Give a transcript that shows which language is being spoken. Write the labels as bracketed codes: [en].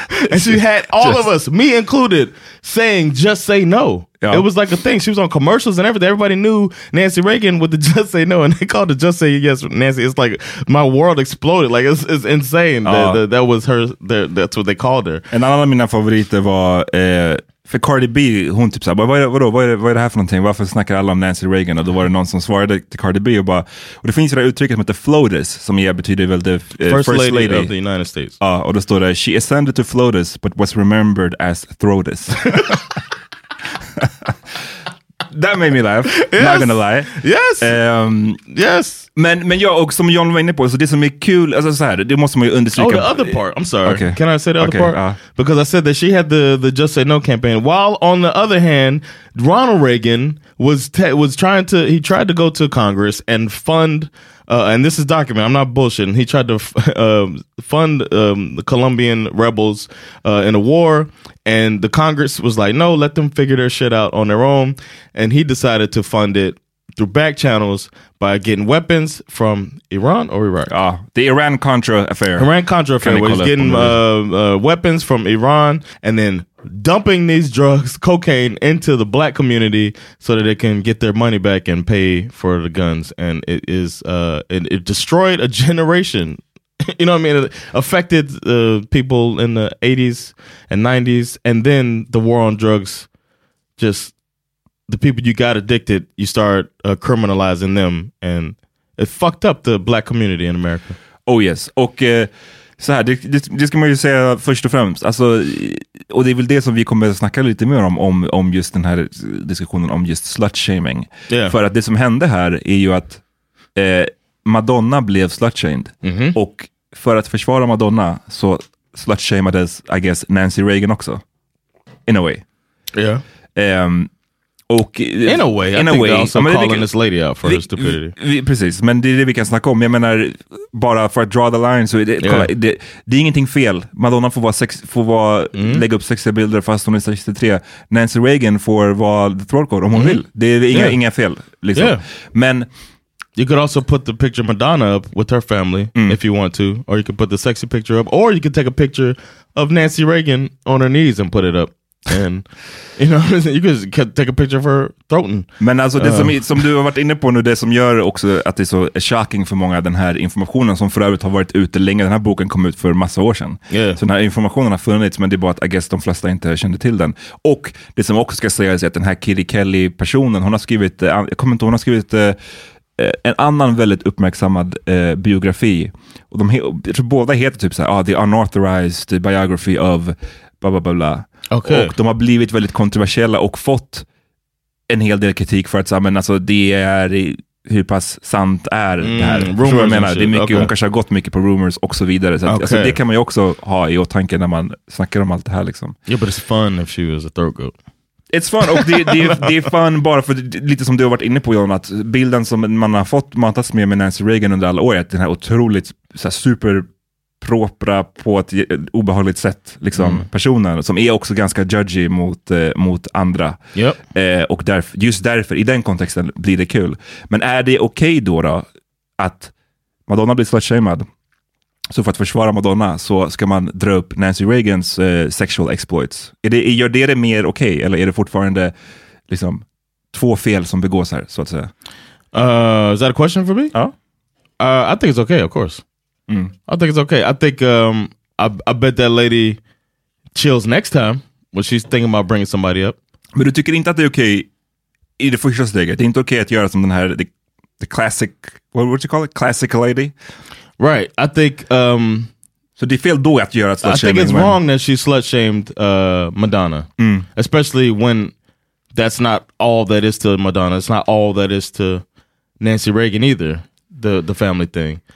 [en] And she had all of us, me included, saying Just Say No. Yeah. It was like a thing. She was on commercials and everything. Everybody knew Nancy Reagan with the Just Say No, and they called her Just Say Yes, Nancy. It's like my world exploded. Like, it's insane. That was her, that's what they called her. [sv] En annan av mina favoriter var För Cardi B, hon typ såhär, vad är det här för någonting? Varför snackar alla om Nancy Reagan? Och då var det någon som svarade till Cardi B och bara... Och det finns ju det här uttrycket som heter FLOTUS, som betyder väl det... [en] First lady of the United States. [sv] Ja, och då står det, [en] she ascended to FLOTUS, but was remembered as THROTUS. That made me laugh, yes. Not gonna lie. Yes, yes. [sv] Men ja, och som John var inne på, så det som är kul, alltså så här, det måste man ju understryka. [en] Oh, the other part, I'm sorry. Okay. Can I say the other part? Because I said that she had the Just Say No campaign, while on the other hand, Ronald Reagan tried to go to Congress and fund, and this is documented, I'm not bullshitting, he tried to fund the Colombian rebels in a war, and the Congress was like, no, let them figure their shit out on their own, and he decided to fund it through back channels by getting weapons from Iran or Iraq. Ah, the Iran-Contra affair. Iran-Contra affair, where he's getting weapons from Iran and then dumping these drugs, cocaine, into the black community so that they can get their money back and pay for the guns. And it is it destroyed a generation. You know what I mean? It affected people in the 80s and 90s. And then the war on drugs just... The people you got addicted, you start criminalizing them, and it fucked up the black community in America. Oh yes, [sv] och så här, det ska man ju säga först och främst, alltså, och det är väl det som vi kommer att snacka lite mer om just den här diskussionen om just slutshaming. [en] Yeah. [sv] För att det som hände här är ju att Madonna blev slutshamed, mm-hmm. och för att försvara Madonna så slutshamades, [en] I guess, [sv] Nancy Reagan också, [en] in a way. Yeah. [sv] Och, [en] in a way, they're also calling this lady out for her stupidity. [sv] Precis, men det är det vi kan snacka om. Jag menar, bara för att [en] draw the line, [sv] så det är ingenting fel. Madonna lägga upp sexiga bilder fast hon är 63. Nancy Reagan får vara [en] the throat code [sv] om hon vill. Det är inga fel, liksom. [en] Yeah. [sv] Men [en] you could also put the picture of Madonna up with her family if you want to, or you could put the sexy picture up, or you could take a picture of Nancy Reagan on her knees and put it up. And you know, you could take a picture of her throat. [sv] Men alltså det som du har varit inne på nu, det som gör också att det är så shocking för många, den här informationen som för övrigt har varit ute länge. Den här boken kom ut för massa år sedan. Yeah. Så den här informationen har funnits, men det är bara att [en] I guess [sv] de flesta inte kände till den. Och det som också ska sägas är att den här Kitty Kelly-personen, hon har skrivit, jag kommer inte ihåg, hon har skrivit en annan väldigt uppmärksammad biografi. Och jag tror båda heter typ så här, [en] The Unauthorized Biography of blah, blah, blah, blah. Okay. [sv] Och de har blivit väldigt kontroversiella och fått en hel del kritik för att säga, men alltså, det är hur pass sant är det här. [en] Rumors, [sv] jag menar, det är mycket, hon kanske har gått mycket på rumors och så vidare. Så [en] okay. [sv] Alltså, det kan man ju också ha i åtanke när man snackar om allt det här. Liksom. [en] Yeah, but it's fun if she was a throat goat. It's fun, [sv] och det är fun bara för lite som du har varit inne på, John, att bilden som man har fått matas med Nancy Reagan under alla år, att den här otroligt så här, super... propra på ett obehagligt sätt liksom, personen som är också ganska judgy mot andra. [en] Yep. [sv] Och just därför i den kontexten blir det kul. Men är det okej då att Madonna blir slutshamed? Så för att försvara Madonna så ska man dra upp Nancy Reagans sexual exploits. Gör det mer okej, eller är det fortfarande liksom två fel som begås här, så att säga? [en] Is that a question for me? I think it's okay, of course. I think it's okay. I think I bet that lady chills next time when she's thinking about bringing somebody up. [sv] Men du tycker inte att det är okej i det första steget? Det är inte okej att göra som den här, [en] the classic, what would you call it? Classic lady? Right. I think... [sv] So det är fel då att göra slut-shaming? [en] I think it's wrong that she slut-shamed Madonna. Mm. Especially when that's not all that is to Madonna. It's not all that is to Nancy Reagan either. The family thing.